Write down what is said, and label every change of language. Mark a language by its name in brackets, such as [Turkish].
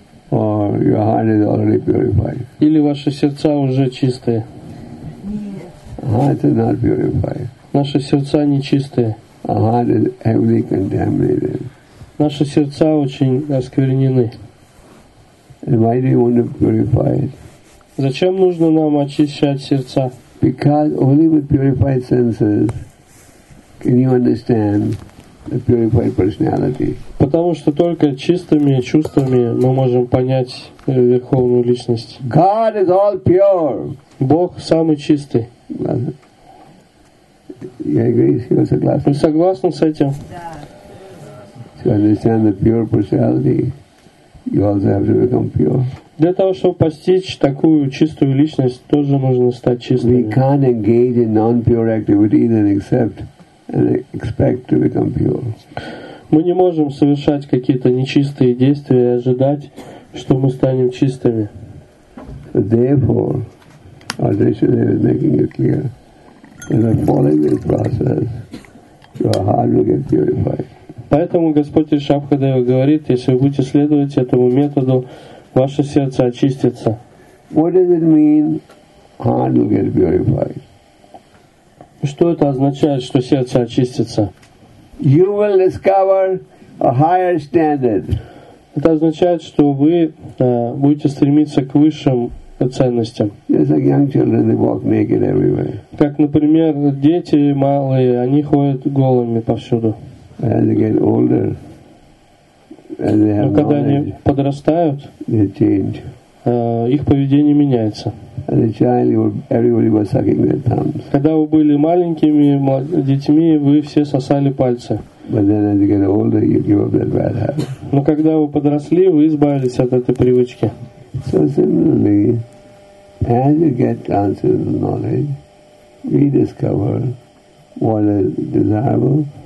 [English] Or your heart is already purified. [Russian] Или ваши сердца уже чистые? [English] Heart is not purified. [Russian] Наши сердца не чистые. [English] Our heart is heavily contaminated. [Russian] Наши сердца очень осквернены. [English] And why do you want to purify it? [Russian] Зачем нужно нам очищать сердца? [English] Because only with purified senses can you understand the purified personality. [Russian] Потому что только чистыми чувствами мы можем понять верховную личность. [English] God is all pure. [Russian] Бог самый чистый. Я говорю, я согласен. Вы согласны с этим? Да. [English] To understand the pure personality, you also have to become pure. [Russian] Для того, чтобы постичь такую чистую личность, тоже нужно стать чистым. [English] We can't engage in non-pure activities and accept and expect to become pure. [Russian] Мы не можем совершать какие-то нечистые действия и ожидать, что мы станем чистыми. [English] Therefore, Advaita is making it clear that by following this process, your heart will get purified. [Russian] Поэтому Господь Ришабхадева говорит, если вы будете следовать этому методу, ваше сердце очистится. [English] What does it mean, heart will get purified? [Russian] Что это означает, что сердце очистится? [English] You will discover a higher standard. [Russian] Это означает, что вы будете стремиться к высшим ценностям. [English] Just like young children, they walk naked everywhere. [Russian] Как, например, дети малые, они ходят голыми повсюду. [English] As they get older, as they have knowledge, [Russian] они подрастают, [English] they change. [Russian] Их поведение меняется. [English] As a child, everybody was sucking their thumbs. [Russian] Когда вы были маленькими детьми, вы все сосали пальцы. [English] But then, as you get older, you give up that bad habit. [Russian] Но когда вы подросли, вы избавились от этой привычки. [English] So similarly, as you get closer to knowledge, we discover what is desirable.